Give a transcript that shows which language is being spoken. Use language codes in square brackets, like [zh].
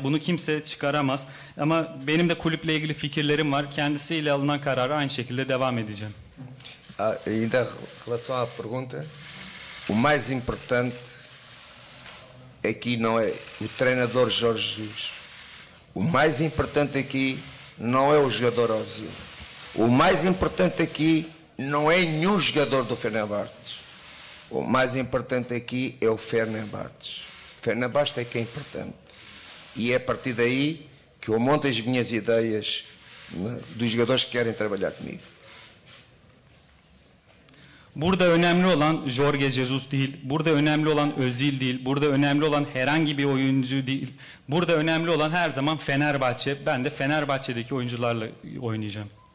[tr] Bunu kimse çıkaramaz. Ama benim de kulüple ilgili fikirlerim var. Kendisiyle alınan kararı aynı şekilde devam edeceğim. [pt] Ainda em relação à pergunta, o mais importante aqui não é o treinador Jorge Jesus. O mais importante aqui não é o jogador Özil. O mais importante aqui não é nenhum jogador do Fenerbahçe. O mais importante aqui é o Fenerbahçe. Fenerbahçe é que é importante. E é a partir daí que eu monto as minhas ideias dos jogadores que querem trabalhar comigo. [tr] Burada önemli olan Jorge Jesus değil, burada önemli olan Özil değil, burada önemli olan herhangi bir oyuncu değil. Burada önemli olan her zaman Fenerbahçe. Ben de Fenerbahçe'deki oyuncularla oynayacağım.